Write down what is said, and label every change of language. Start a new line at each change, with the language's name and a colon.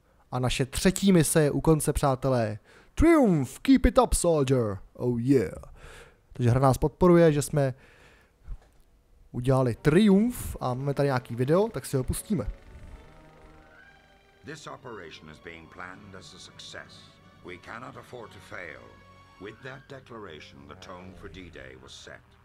Czech: A naše třetí mise je u konce, přátelé.
English: Triumph, keep it up, soldier, oh yeah.
Czech: Takže hra nás podporuje, že jsme udělali triumf a máme tady nějaký video, tak si ho pustíme.
English: This operation is being planned as a success. We cannot afford to fail. With that declaration, the tone for D-Day was set.